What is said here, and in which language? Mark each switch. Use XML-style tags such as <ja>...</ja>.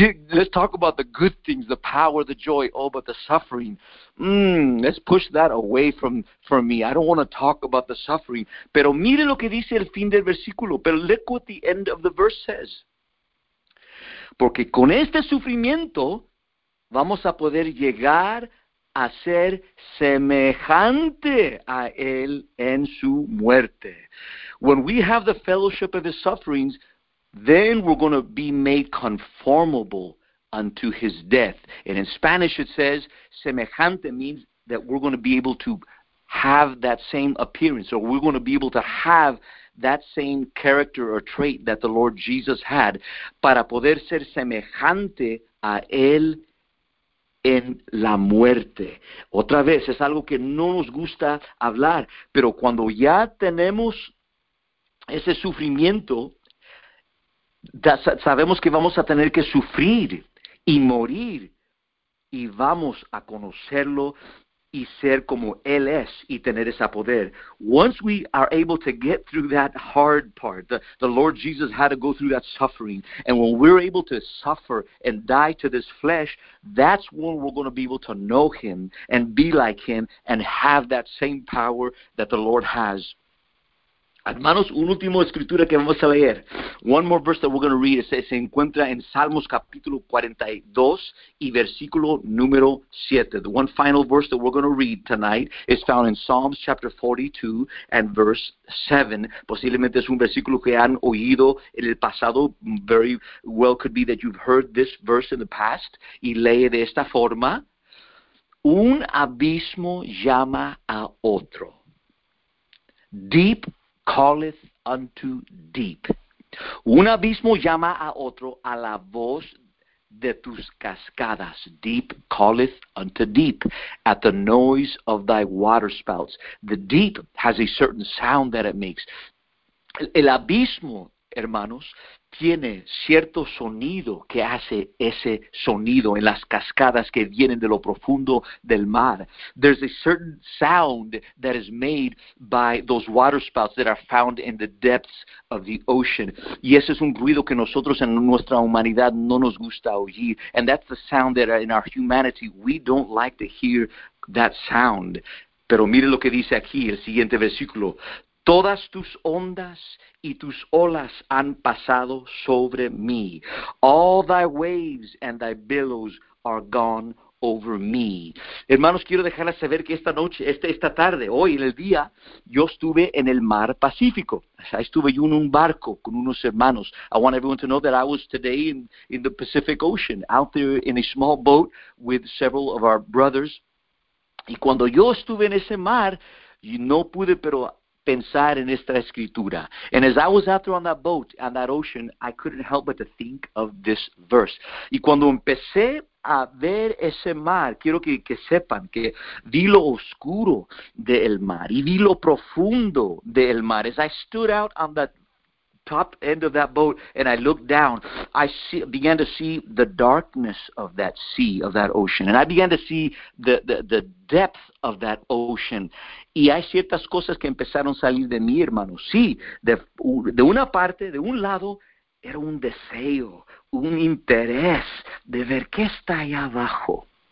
<en>Let's talk about the good things, the power, the joy. Oh, but the suffering. Let's push that away from me. I don't want to talk about the suffering.</en> <es>Pero mire lo que dice el fin del versículo.</es> <en>Pero look what the end of the verse says.</en> <es>Porque con este sufrimiento vamos a poder llegar a ser semejante a él en su muerte.</es> <en>When we have the fellowship of his sufferings, then we're going to be made conformable unto his death. And in Spanish it says, semejante means that we're going to be able to have that same appearance, or we're going to be able to have that same character or trait that the Lord Jesus had,</en> <es>para poder ser semejante a él en la muerte. Otra vez, es algo que no nos gusta hablar, pero cuando ya tenemos ese sufrimiento, sabemos que vamos a tener que sufrir y morir, y vamos a conocerlo y ser como Él es y tener ese poder.</es> <en>Once we are able to get through that hard part, the Lord Jesus had to go through that suffering, and when we're able to suffer and die to this flesh, that's when we're going to be able to know Him and be like Him and have that same power that the Lord has.</en> <es>Hermanos, un último escritura que vamos a leer.</es> <en>One more verse that we're going to read.</en> <es>Se encuentra en Salmos capítulo 42 y versículo número 7.</es> <en>The one final verse that we're going to read tonight is found in Psalms chapter 42 and verse 7.</en> <es>Posiblemente es un versículo que han oído en el pasado.</es> <en>Very well could be that you've heard this verse in the past.</en> <es>Y lee de esta forma. Un abismo llama a otro.</es> <en>Deep calleth unto deep.</en> <es>Un abismo llama a otro a la voz de tus cascadas.</es> <en>Deep calleth unto deep at the noise of thy waterspouts. The deep has a certain sound that it makes.</en> <es>El abismo, hermanos, tiene cierto sonido que hace ese sonido en las cascadas que vienen de lo profundo del mar.</es> <en>There's a certain sound that is made by those waterspouts that are found in the depths of the ocean.</en> <es>Y ese es un ruido que nosotros en nuestra humanidad no nos gusta oír.</es> <en>And that's the sound that in our humanity we don't like to hear that sound.</en> <es>Pero mire lo que dice aquí, el siguiente versículo. Todas tus ondas y tus olas han pasado sobre mí.</es> <en>All thy waves and thy billows are gone over me.</en> <es>Hermanos, quiero dejarles saber que esta noche, esta tarde, hoy en el día, yo estuve en el mar Pacífico. Ahí estuve yo en un barco con unos hermanos.</es> <en>I want everyone to know that I was today in the Pacific Ocean, out there in a small boat with several of our brothers.</en> <es>Y cuando yo estuve en ese mar, no pude pero pensar en esta escritura.</es> <en>And as I was out there on that boat, on that ocean, I couldn't help but to think of this verse.</en> <es>Y cuando empecé a ver ese mar, quiero que sepan que vi lo oscuro del mar y vi lo profundo del mar.</es> <en>As I stood out on that top end of that boat and I looked down, I began to see the darkness of that sea, of that ocean. And I began to see the depth of that ocean.</en> <es>Y hay ciertas cosas que empezaron a salir de mí, hermano. Sí, de una parte, de un lado, era un deseo, un interés de ver qué está allá abajo.</es>